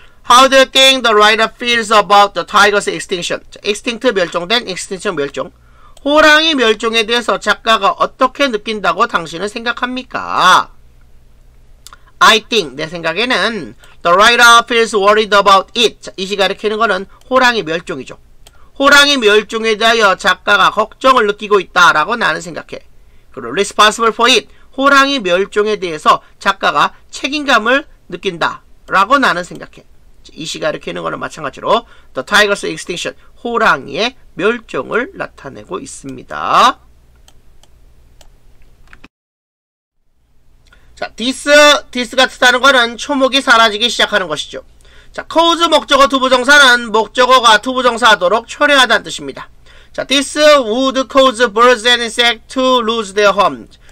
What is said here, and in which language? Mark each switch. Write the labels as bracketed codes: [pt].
[en] How do you think the writer feels about the tiger's extinction? [ko] Extinct 멸종된, extinction 멸종. 호랑이 멸종에 대해서 작가가 어떻게 느낀다고 당신은 생각합니까? [en] I think, [ko] 내 생각에는 [en] the writer feels worried about it. [ko] 이시 가리키는 거는 호랑이 멸종이죠. 호랑이 멸종에 대하여 작가가 걱정을 느끼고 있다라고 나는 생각해. 그리고 [en] responsible for it. [ko] 호랑이 멸종에 대해서 작가가 책임감을 느낀다라고 나는 생각해. 이시가 이렇게 있는 거는 마찬가지로 The Tiger's Extinction, 호랑이의 멸종을 나타내고 있습니다. 자, this, this 같다는 거는 초목이 사라지기 시작하는 것이죠. 자, 코즈 목적어 투부정사는 목적어가 투부정사하도록 초래하다는 뜻입니다. [en] 자, this would cause birds and insects to lose their homes.